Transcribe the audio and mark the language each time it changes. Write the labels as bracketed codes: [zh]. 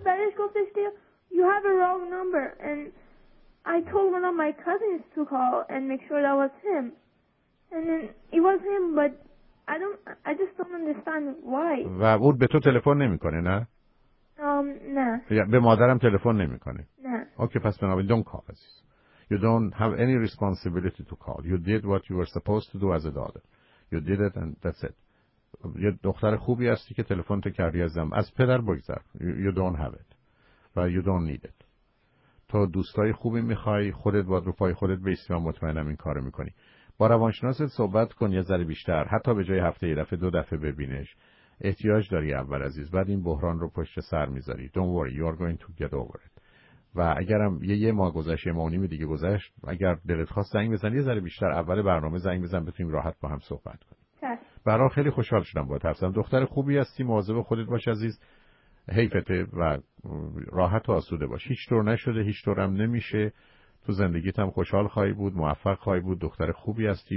[fa] بعدش گفتش که [en] you have a wrong number and I told one of my cousins to call and make sure that was him. And then it was him, but I just don't understand why. [fa] و اون به تو تلفن نمیکنه، نه؟ نه. به مادرم تلفن نمیکنه. نه. [en] Okay, [fa] پس بنابراین [en] don't call. You don't have any responsibility to call. You did what you were supposed to do as a daughter. You did it and that's it. [fa] یه دختر خوبی هستی که تلفن تو کردی ازم. از پدر بگذر. [en] You don't have it. و you don't need it. [fa] تو دوستای خوبی میخوای، خودت باید رو پای خودت بیستی و مطمئنم این کارو میکنی. با روانشناست صحبت کن یه ذره بیشتر، حتی به جای هفته یه دفعه دو دفعه ببینش. احتیاج داری اول عزیز، بعد این بحران رو پشت سر میذاری. [en] Don't worry, you are going to get over it. [fa] و اگرم یه ماه گذشت، یه ماه و نیم دیگه گذشت، اگر دلت خواست زنگ بزن، یه ذره بیشتر اول برنامه زنگ بزن، بتونیم راحت با هم صحبت کنیم. برای خیلی خوشحال شدم با تفسیرم. دختر خوبی هستی، مواظب خودت باش عزیز، حیفته و راحت و آسوده باش. هیچ طور نشده، هیچ طور هم نمیشه. تو زندگیت هم خوشحال خواهی بود، موفق خواهی بود، دختر خوبی هستی.